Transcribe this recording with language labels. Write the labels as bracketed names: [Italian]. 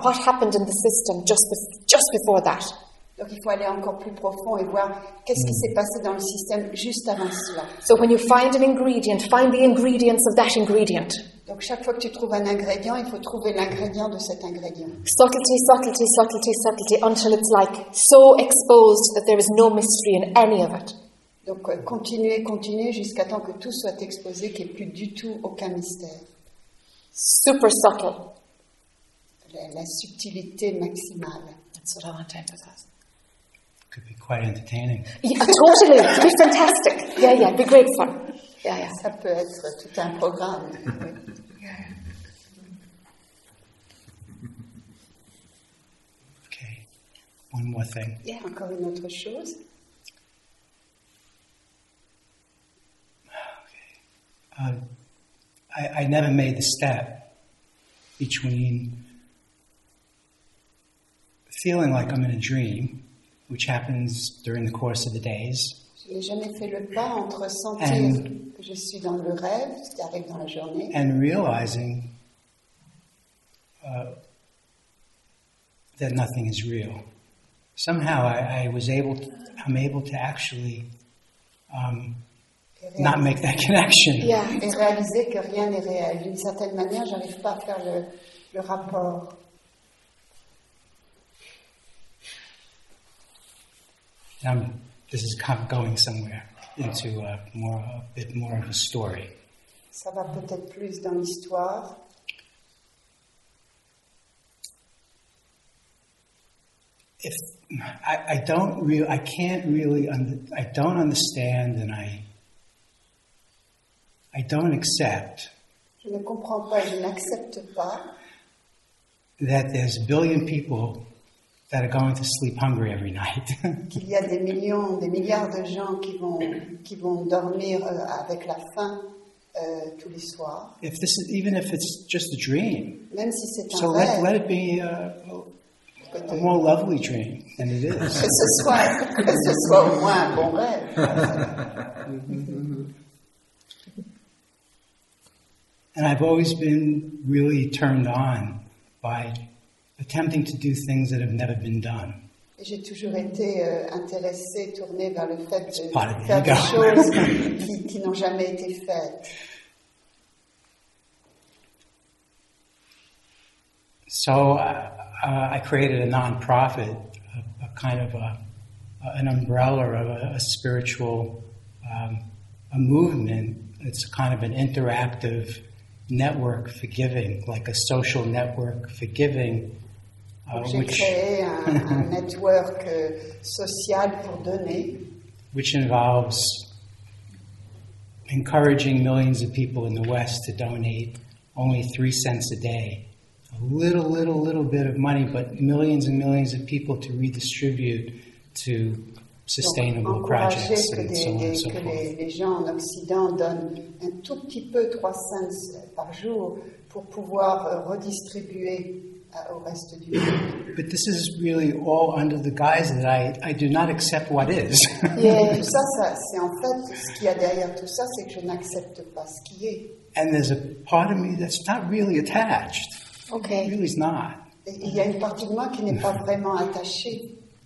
[English] What happened in the system just before that? [French] Donc il faut aller encore plus profond et voir qu'est-ce qui s'est passé dans le système juste avant cela. [English] So when you find an ingredient, find the ingredients of that ingredient. [French] Donc chaque fois que tu trouves un ingrédient, il faut trouver l'ingrédient de cet ingrédient. [English] Subtlety, subtlety, subtlety, subtlety, until it's like so exposed that there is no mystery in any of it. [French] Donc continuer jusqu'à temps que tout soit exposé, qu'il n'y ait plus du tout aucun mystère. [English] Super subtle. [French] La subtilité maximale. [English] That's what I want to emphasize. Could be quite entertaining. Yeah, totally. It could be fantastic. Yeah, be great fun. Yeah. [French] Ça peut être tout un programme. [English] Okay. One more thing. [French] Yeah, encore une autre chose. [English] I never made the step between feeling like I'm in a dream, which happens during the course of the days. [French] Je n'ai jamais fait le pas entre sentir que je suis dans le rêve, ce qui arrive dans la journée, [English] and realizing that nothing is real. Somehow I'm able to actually not make that connection. Yeah, [French] et réaliser que rien n'est réel. D'une certaine manière, j'arrive pas à faire le rapport. [English] This is kind of going somewhere into a bit more of a story. [French] Ça va peut-être plus dans l'histoire. [English] I don't accept. [French] Je ne comprends pas, je n'accepte pas. [English] That there's a billion people that are going to sleep hungry every night. [French] Qu'il y a des millions, des milliards de gens qui vont dormir avec la faim tous les soirs. [English] If this is, even if it's just a dream. [French] Même si c'est un [English] so [French] rêve. [English] So let it be a more lovely dream than it is. [French] que ce soit au moins un bon rêve. [English] And I've always been really turned on by attempting to do things that have never been done. [French] J'ai toujours été intéressée, tournée vers le fait de faire des choses qui n'ont jamais été faites. [English] So I created a non-profit, a kind of an umbrella of a spiritual a movement. It's kind of an interactive network for giving, like a social network for giving. Which involves encouraging millions of people in the West to donate only 3 cents a day. A little bit of money, but millions and millions of people to redistribute to sustainable projects and so on and so forth. [French] Les gens en Occident donnent un tout petit peu 3 cents par jour pour pouvoir redistribuer au reste du monde. [English] But this is really all under the guise that I do not accept what is. [French] Et tout ça, c'est en fait ce qu'il y a derrière tout ça, c'est que je n'accepte pas ce qui est. [English] And there's a part of me that's not really attached. Okay. It really is not. [French] Il y a une partie de moi qui n'est pas vraiment attachée.